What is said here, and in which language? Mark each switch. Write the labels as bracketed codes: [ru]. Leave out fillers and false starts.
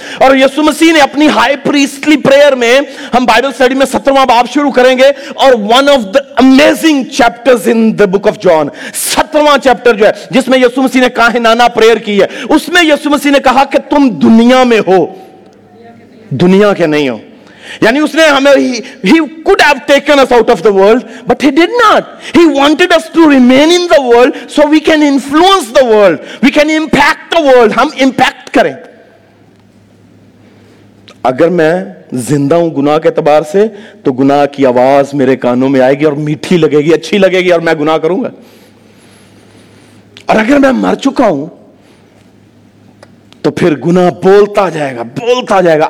[ur] اور یسوع مسیح نے اپنی [en] high priestly prayer [ur] میں، ہم بائبل سٹڈی میں 17 باب شروع کریں گے، اور [en] one of the amazing chapters in the book of John, [ur] 17 chapter جو ہے جس میں یسوع مسیح نے کاہنانہ پریئر کی ہے، اس میں یسوع مسیح نے کہا کہ تم دنیا میں ہو، دنیا کے نہیں ہو. یعنی اس نے ہمیں [en] he could have taken us out of the world but he did not. He wanted us to remain in the world so we can influence the world, we can impact the world. [ur] ہم impact کریں. اگر میں زندہ ہوں گناہ کے اعتبار سے تو گناہ کی آواز میرے کانوں میں آئے گی اور میٹھی لگے گی، اچھی لگے گی، اور میں گناہ کروں گا. اور اگر میں مر چکا ہوں تو پھر گناہ بولتا جائے گا، بولتا جائے گا.